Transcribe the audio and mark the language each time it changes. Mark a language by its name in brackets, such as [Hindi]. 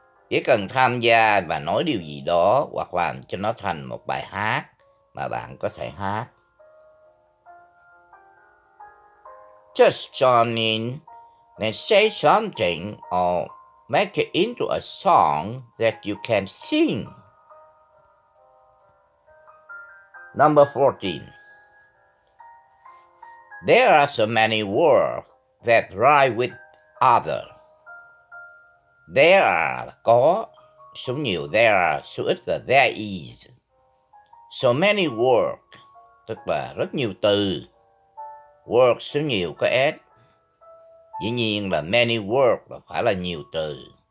[Vietnamese] Chỉ cần tham gia và nói điều gì đó hoặc làm cho nó thành một bài hát mà bạn có thể hát. [English] Just join in and say something or make it into a song that you can sing. Number 14. There are so many words that rhyme with other. There are, [Vietnamese] có, số nhiều, [English] there are, [Vietnamese] số ít là [English] there is. So many words, [Vietnamese] tức là rất nhiều từ. [English] Words, [Vietnamese] số nhiều, có s. Dĩ nhiên là [English] many words, [Vietnamese] là phải là nhiều từ.